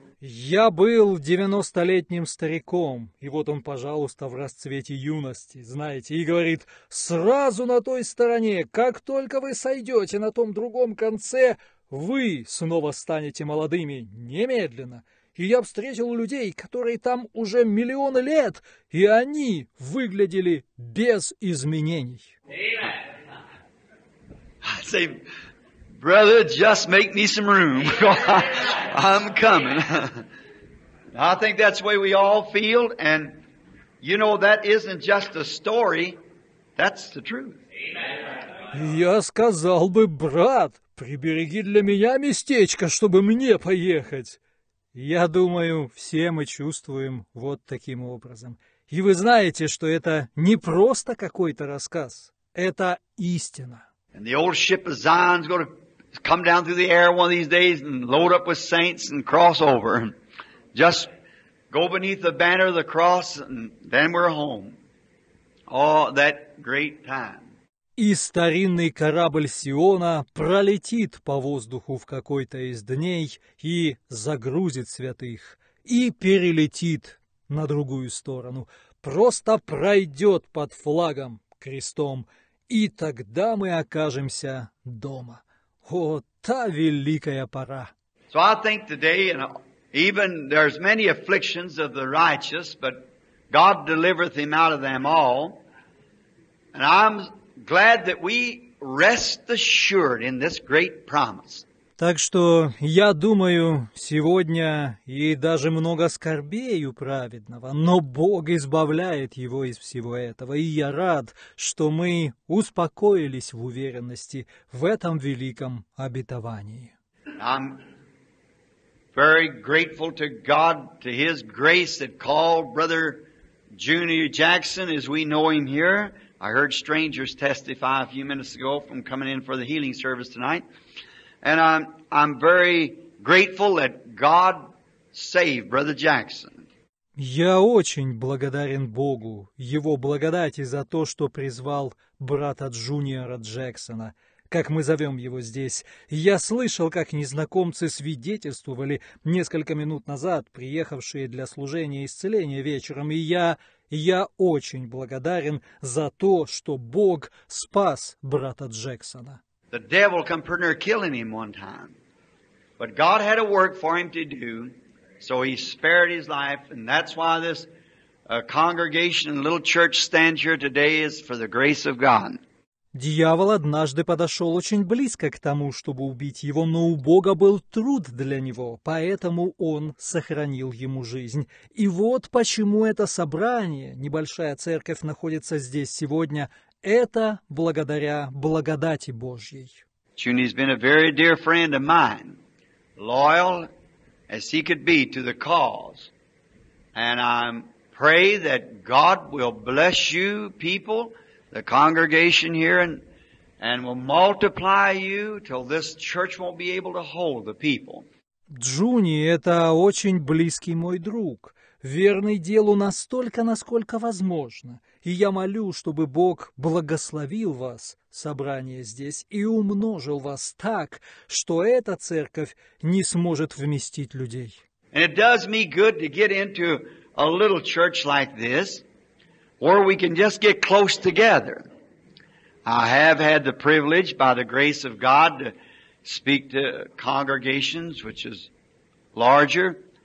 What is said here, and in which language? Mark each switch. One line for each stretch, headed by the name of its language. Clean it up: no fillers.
Russian: Я был 90-летним стариком, и вот он, пожалуйста, в расцвете юности, знаете, и говорит, сразу на той стороне, как только вы сойдете на том другом конце, вы снова станете молодыми немедленно. И я встретил людей, которые там уже миллионы лет, и они выглядели без изменений.
English: I say, brother, just make me some room. I'm coming. I think that's the way we all feel, and you know, that isn't just a story, that's the truth.
Russian: Я сказал бы, брат, прибереги для меня местечко, чтобы мне поехать. Я думаю, все мы чувствуем вот таким образом. И вы знаете, что это не просто какой-то рассказ. Это истина.
English: And the old ship of Zion's going to come down through the air one of these days and load up with saints and cross over. Just go beneath the banner of the cross and then we're home. Oh, that great time.
Russian: И старинный корабль Сиона пролетит по воздуху в какой-то из дней и загрузит святых, и перелетит на другую сторону, просто пройдет под флагом, крестом, и тогда мы окажемся дома. О, та великая пора!
English: So I think today, you know, even there's many afflictions of the righteous, but God delivereth him out of them all. And I'm glad that we rest assured in this great promise.
Russian: Так что я думаю, сегодня и даже много скорбей у праведного, но Бог избавляет его из всего этого, и я рад, что мы успокоились в уверенности в этом великом обетовании.
English: I'm very grateful to God, to His grace that called Brother Junior Jackson, as we know him here. I heard strangers testify a few minutes ago from coming in for the healing service tonight. And I'm very grateful that God saved Brother Jackson.
Russian: Я очень благодарен Богу, Его благодати за то, что призвал брата Джуниора Джексона, как мы зовем его здесь. Я слышал, как незнакомцы свидетельствовали несколько минут назад, приехавшие для служения исцеления вечером, и я очень благодарен за то, что Бог спас брата Джексона.
English: The devil come pretty near killing him one time, but God had a work for him to do, so he spared his life, and that's why this congregation and little church stands here today is for the grace of God.
Russian: Дьявол однажды подошел очень близко к тому, чтобы убить его, но у Бога был труд для него, поэтому он сохранил ему жизнь. И вот почему это собрание, небольшая церковь, находится здесь сегодня. Это благодаря благодати Божьей.
English: Чуни's been a very dear friend of mine, loyal as he could be to the cause. And I pray that God will bless you people, the congregation here, and will multiply you till this church won't be able to hold the people.
Russian: Джуни — это очень близкий мой друг, верный делу настолько, насколько возможно. И я молю, чтобы Бог благословил вас, собрание здесь, и умножил вас так, что эта церковь не сможет вместить людей.
English: And it does me good to get into a little church like this, or we can just get close together. I have had the privilege, by the grace of God, to speak to congregations, which is larger.